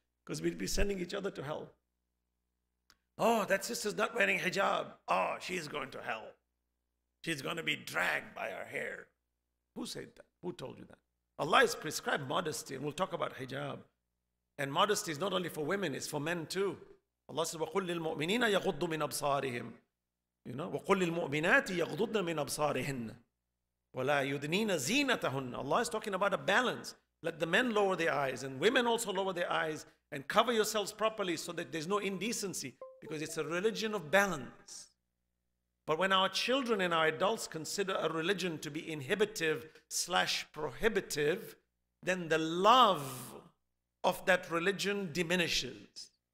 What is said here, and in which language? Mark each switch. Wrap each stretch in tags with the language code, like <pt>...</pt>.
<en>Because we'd be sending each other to hell. Oh, that sister's not wearing hijab. Oh, she's going to hell. She's going to be dragged by her hair. Who said that? Who told you that? Allah has prescribed modesty, and we'll talk about hijab. And modesty is not only for women, it's for men too. Allah says,</en> <ar>وَقُلْ لِلْمُؤْمِنِينَ يَغُضُّ مِنْ أَبْصَارِهِمْ.</ar> <en>You know,</en> <ar>وَقُلْ لِلْمُؤْمِنَاتِ يَغْضُضْنَ مِنْ أَبْصَارِهِنَّ. وَلَا يُدْنِينَ زِينَتَهُنَّ.</ar> <en>Allah is talking about a balance. Let the men lower their eyes, and women also lower their eyes, and cover yourselves properly so that there's no indecency, because it's a religion of balance. But when our children and our adults consider a religion to be inhibitive / prohibitive, then the love of that religion diminishes.</en>